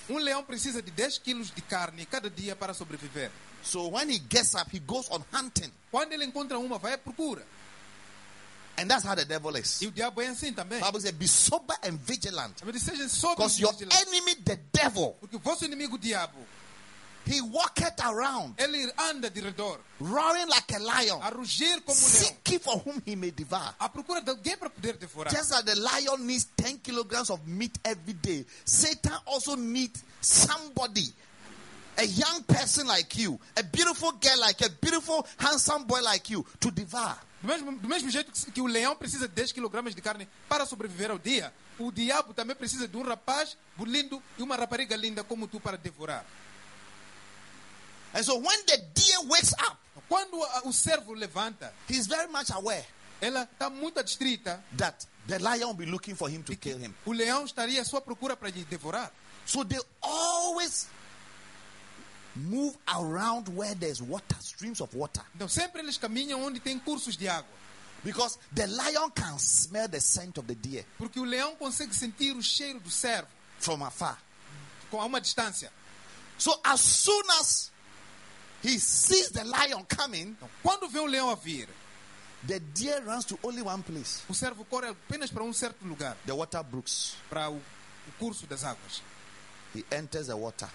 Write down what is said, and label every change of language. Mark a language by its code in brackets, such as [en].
[pt] Leão precisa de 10 quilos de carne cada dia para sobreviver. [en] So when he gets up, he goes on hunting. [pt] Quando ele encontra vai à procura. [en] And that's how the devil is. [pt] E o diabo assim também. [en] Bible says, be sober and vigilant. Because your enemy, the devil, [pt] porque vosso inimigo, o diabo, [en] he walketh around, [pt] ele anda de redor, [en] roaring like a lion, [pt] a rugir como leão, [en] seeking for whom he may devour. [pt] A procura de alguém para poder devorar. [en] Just as the lion needs 10 kilograms of meat every day, Satan also needs somebody, a young person like you, a beautiful girl like you, a beautiful handsome boy like you, to devour. [pt] Do mesmo jeito que o leão precisa de 10 kg de carne para sobreviver ao dia, o diabo também precisa de rapaz lindo e uma rapariga linda como tu para devorar. [en] And so when the deer wakes up, [pt] quando o servo levanta, [en] he's very much aware, [pt] ela está muito distrita, [en] that the lion will be looking for him to kill him. [pt] O leão estaria à sua procura para lhe devorar. [en] So they always move around where there's water, streams of water. [pt] Então sempre eles caminham onde tem cursos de água. [en] Because the lion can smell the scent of the deer. [pt] Porque o leão consegue sentir o cheiro do servo [en] from afar. [pt] Com uma distância. [en] So as soon as he sees the lion coming, [pt] quando vê o leão a vir, [en] the deer runs to only one place. [pt] O servo corre apenas para certo lugar. [en] The water brooks. [pt] Para o curso das águas. [en] He enters the water.